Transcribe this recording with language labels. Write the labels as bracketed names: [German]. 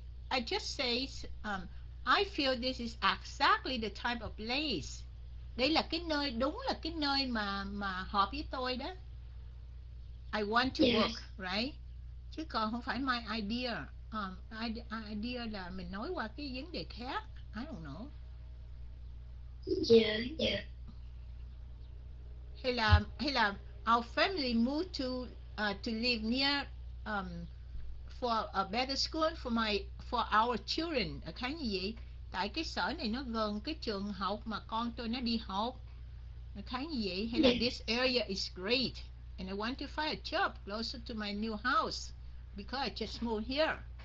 [English] I just say I feel this is exactly the type of place. [Vietnamese] Đây là cái nơi đúng là cái nơi mà hợp với tôi đó. [English] I want to yes. work, right? [Vietnamese] Chứ còn không phải [English] my idea. [Vietnamese] Idea là mình nói qua cái vấn đề khác. [English] I don't know. Hey, our family moved to live near for a better school for our children. [Vietnamese] Thấy như vậy? Tại cái sở này nó gần cái trường học mà con tôi nó đi học. Thấy như vậy? Hay là [English] this area is great and I want to find a job closer to my new house because I just moved here.